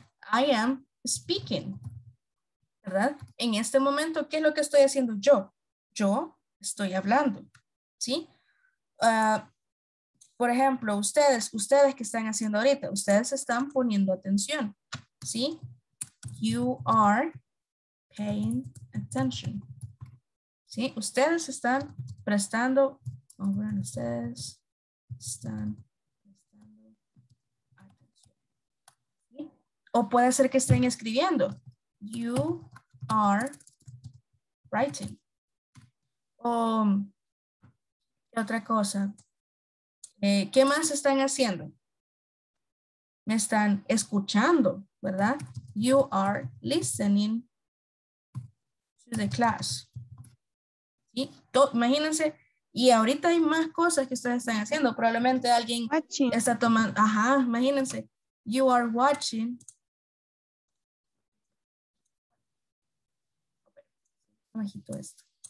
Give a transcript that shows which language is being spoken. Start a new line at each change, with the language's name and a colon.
English: I am speaking.
Spanish: ¿Verdad? En este momento, ¿qué es lo que estoy haciendo yo? Yo estoy hablando. ¿Sí? Por ejemplo, ustedes que están haciendo ahorita, ustedes están poniendo atención. ¿Sí?
English: You are paying attention.
Spanish: ¿Sí? Ustedes están prestando, oh, bueno, ustedes están prestando atención. ¿Sí? O puede ser que estén escribiendo.
English: You are writing.
Spanish: ¿Qué otra cosa? ¿Qué más están haciendo? Me están escuchando, ¿verdad?
English: You are listening to the class.
Spanish: ¿Sí? Imagínense, y ahorita hay más cosas que ustedes están haciendo. Probablemente alguien watching. Está tomando, ajá, imagínense.
English: You are watching.
Spanish: Bajito esto.